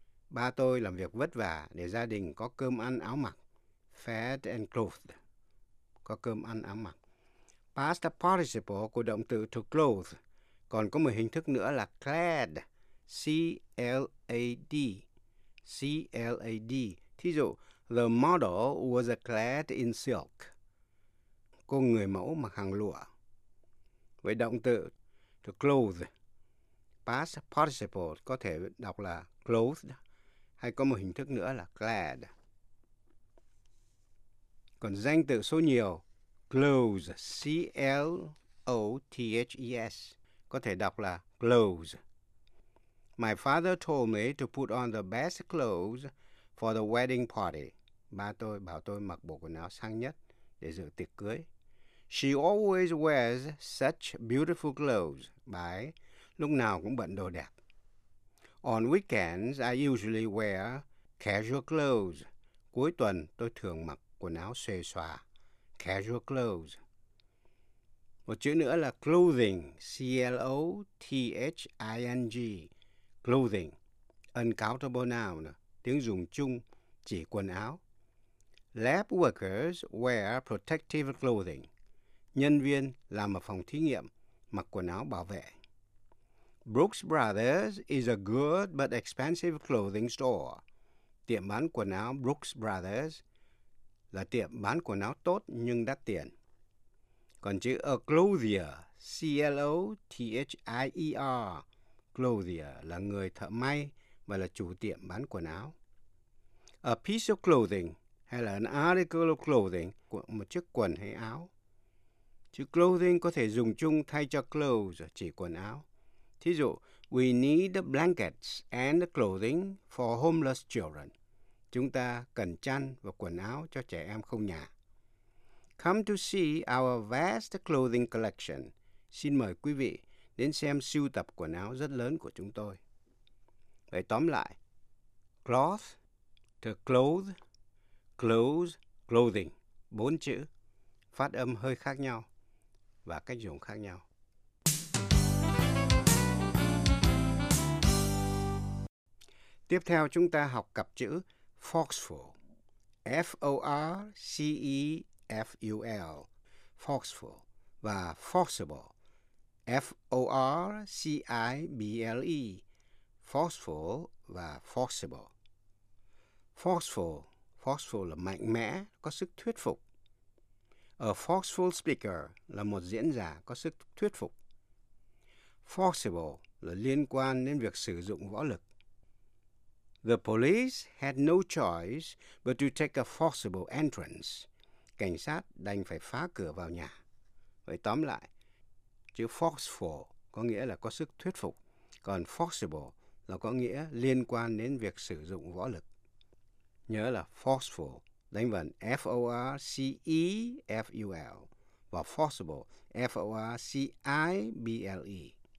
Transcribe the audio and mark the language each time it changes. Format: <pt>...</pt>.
<vi>Ba tôi làm việc vất vả để gia đình có cơm ăn áo mặc.</vi> <en>Fed and clothed.</en> <vi>Có cơm ăn áo mặc. Past participle của động từ to clothe. Còn có một hình thức nữa là clad, C-L-A-D, C-L-A-D. Thí dụ,</vi> <en>the model was clad in silk.</en> <vi>Cô người mẫu mặc hàng lụa. Với động từ to clothe, past participle có thể đọc là clothed, hay có một hình thức nữa là clad. Còn danh từ số nhiều, clothes, C-L-O-T-H-E-S. Có thể đọc là clothes.</vi> <en>My father told me to put on the best clothes for the wedding party.</en> <vi>Ba tôi bảo tôi mặc bộ quần áo sang nhất để dự tiệc cưới.</vi> <en>She always wears such beautiful clothes.</en> <vi>Bà ấy lúc nào cũng bận đồ đẹp.</vi> <en>On weekends, I usually wear casual clothes.</en> <vi>Cuối tuần, tôi thường mặc quần áo xuề xòa.</vi> <en>Casual clothes.</en> <vi>Một chữ nữa là clothing, C-L-O-T-H-I-N-G, clothing, uncountable noun, tiếng dùng chung, chỉ quần áo.</vi> <en>Lab workers wear protective clothing.</en> <vi>Nhân viên làm ở phòng thí nghiệm, mặc quần áo bảo vệ.</vi> <en>Brooks Brothers is a good but expensive clothing store.</en> <vi>Tiệm bán quần áo Brooks Brothers là tiệm bán quần áo tốt nhưng đắt tiền. Còn chữ a clothier, C-L-O-T-H-I-E-R, clothier là người thợ may và là chủ tiệm bán quần áo.</vi> <en>A piece of clothing</en> <vi>hay là</vi> <en>an article of clothing,</en> <vi>một chiếc quần hay áo. Chữ clothing có thể dùng chung thay cho clothes, chỉ quần áo. Thí dụ,</vi> <en>we need blankets and clothing for homeless children.</en> <vi>Chúng ta cần chăn và quần áo cho trẻ em không nhà.</vi> <en>Come to see our vast clothing collection.</en> <vi>Xin mời quý vị đến xem sưu tập quần áo rất lớn của chúng tôi. Vậy tóm lại, cloth, To clothe, clothes, clothing, bốn chữ, phát âm hơi khác nhau và cách dùng khác nhau. Tiếp theo chúng ta học cặp chữ forceful, F-O-R-C-E-F-U-L, forceful, và forcible, F-O-R-C-I-B-L-E, forceful và forcible. Forceful, forceful là mạnh mẽ, có sức thuyết phục.</vi> <en>A forceful speaker</en> <vi>là một diễn giả có sức thuyết phục. Forcible là liên quan đến việc sử dụng võ lực.</vi> <en>The police had no choice but to take a forcible entrance.</en> <vi>Cảnh sát đành phải phá cửa vào nhà. Vậy tóm lại, chữ forceful có nghĩa là có sức thuyết phục, còn forcible là có nghĩa liên quan đến việc sử dụng võ lực. Nhớ là forceful, đánh vần F-O-R-C-E-F-U-L và forcible, F-O-R-C-I-B-L-E.</vi>